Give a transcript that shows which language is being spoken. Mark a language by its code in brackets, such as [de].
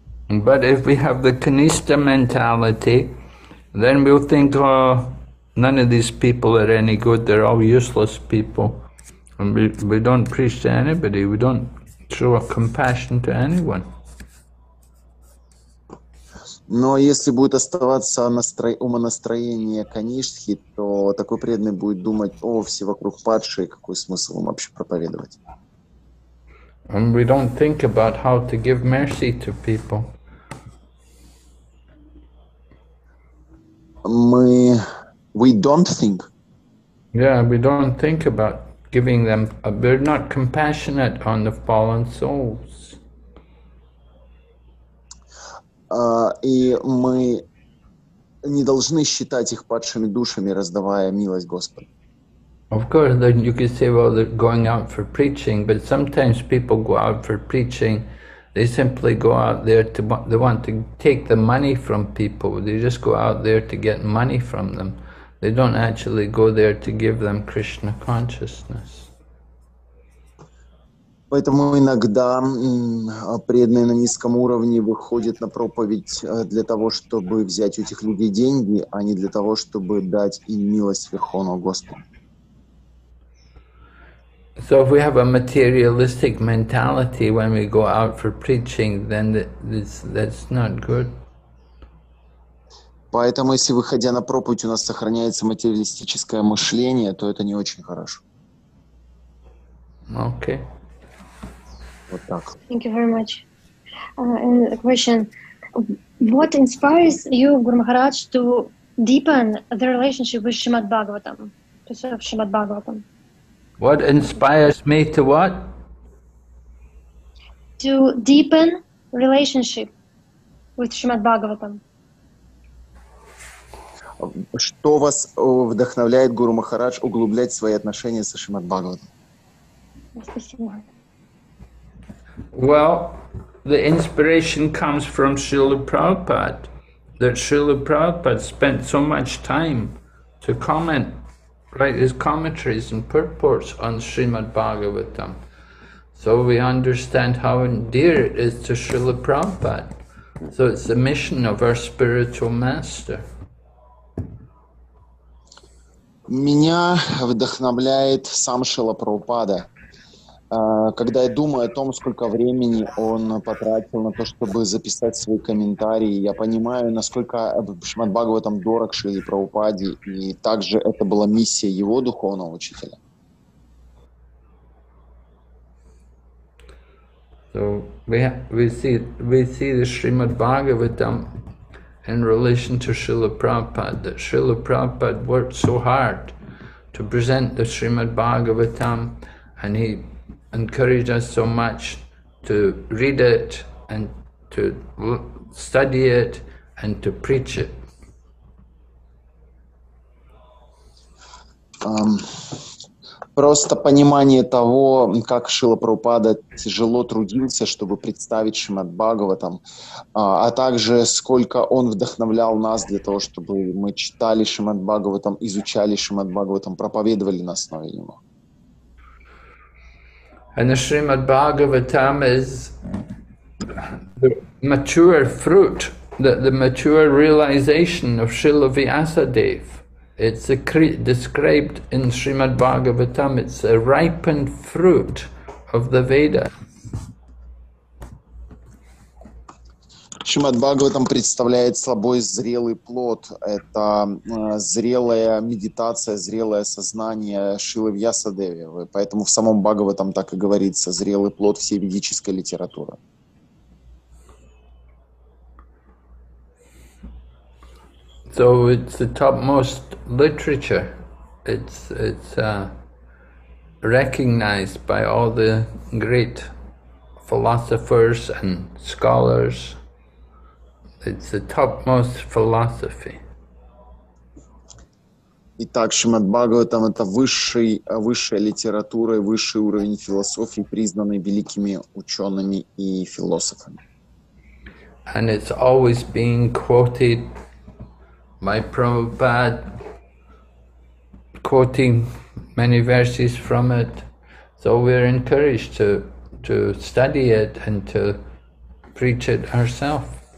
[en] But if we have the Kanishta mentality, then we'll think, oh, none of these people are any good, they're all useless people. And we don't preach to anybody, we don't show compassion to anyone. [ru] Но если будет оставаться умонастроение Канишхи, то такой преданный будет думать, о, все вокруг падшие, какой смысл им вообще проповедовать? [en] And we don't think about how to give mercy to people. We don't think. Yeah, we don't think about giving them, we're not compassionate on the fallen souls. [ru] И мы не должны считать их падшими душами, раздавая милость Господу. [en] Of course, then you could say, well, they're going out for preaching, but sometimes people go out for preaching, they simply go out there to, they want to take the money from people, they just go out there to get money from them. They don't actually go there to give them Krishna consciousness. [ru] Поэтому иногда преданные на низком уровне выходят на проповедь для того, чтобы взять у этих людей деньги, а не для того, чтобы дать им милость Верховного Господа. [en] So if we have a materialistic mentality when we go out for preaching, then that's not good. [ru] Поэтому если, выходя на проповедь, у нас сохраняется материалистическое мышление, то это не очень хорошо. [en] Okay. Thank you very much. And a question. What inspires you, Guru Maharaj, to deepen the relationship with Srimad Bhagavatam, to serve Srimad Bhagavatam? What inspires me to what? To deepen relationship with Srimad Bhagavatam. [ru] Что вас вдохновляет, Гуру Махарадж, углублять свои отношения со Шримад Бхагаватом? Спасибо. [en] Well, the inspiration comes from Srila Prabhupada, that Srila Prabhupada spent so much time to comment, write his commentaries and purports on Srimad Bhagavatam. So we understand how dear it is to Srila Prabhupada. So it's the mission of our spiritual master. [ru] Меня вдохновляет сам Шрила Прабхупада. Когда я думаю о том, сколько времени он потратил на то, чтобы записать свои комментарии, я понимаю, насколько Шримад Бхагаватам дорог Шриле Прабхупаде, и также это была миссия его духовного учителя. [en] So we see the Shrimad Bhagavatam in relation to Srila Prabhupada, that Srila Prabhupada worked so hard to present the Shrimad Bhagavatam, and he encourage us so much to read it and to study it and to preach it. [ru] Просто понимание того, как Шрила Прабхупада тяжело трудился, чтобы представить Шримад Бхагаватам, а также сколько он вдохновлял нас для того, чтобы мы читали Шримад Бхагаватам, изучали Шримад Бхагаватам, проповедовали на основе него. [en] And the Srimad Bhagavatam is the mature fruit, the mature realization of Srila Vyasadeva. It's a described in Srimad Bhagavatam, it's a ripened fruit of the Veda. [ru] Шримад Бхагаватам представляет собой зрелый плод. Это зрелая медитация, зрелое сознание Шилы Вьясадевы. Поэтому в самом Бхагаватам так и говорится, зрелый плод всей ведической литературы. [en] So it's the topmost literature. It's recognized by all the great philosophers and scholars. It's the topmost philosophy. [ru] Итак, Шримад Бхагаватам — это высшая литература, высший уровень философии, признанный великими учеными и философами. [en] And it's always being quoted by Prabhupada, quoting many verses from it. So we're encouraged to study it and to preach it ourselves.